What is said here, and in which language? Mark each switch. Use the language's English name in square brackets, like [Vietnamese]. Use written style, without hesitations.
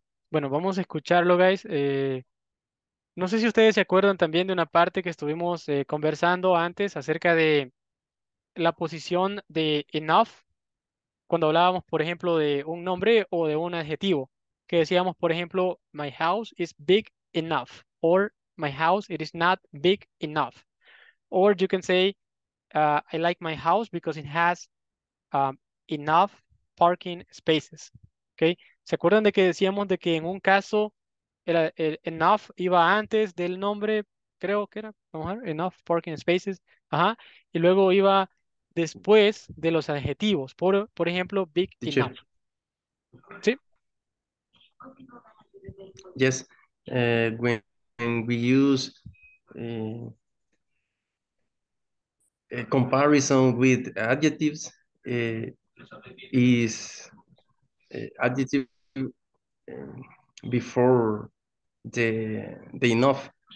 [Spanish] Bueno, vamos a escucharlo, guys. No sé si ustedes se acuerdan también de una parte que estuvimos conversando antes acerca de la posición de enough cuando hablábamos, por ejemplo, de un nombre o de un adjetivo. Que decíamos, por ejemplo, [English] my house is big enough. Or my house, it is not big enough. Or you can say, I like my house because it has enough parking spaces. Okay. [Spanish] ¿Se acuerdan de que decíamos de que en un caso el enough iba antes del nombre, creo que era, vamos a ver, [English] enough parking spaces, [Spanish] ajá, y luego iba después de los adjetivos, por ejemplo, [English] big enough. [Spanish] ¿Sí? [English] Yes, when we use a comparison with adjectives, is adjective before the enough.